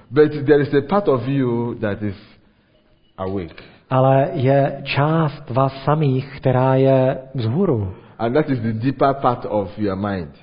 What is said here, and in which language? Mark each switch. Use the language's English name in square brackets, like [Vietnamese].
[English] But there is a part of you that is awake. [Czech] Ale je část vás samých, která je vzhůru. [English] And that is the deeper part of your mind.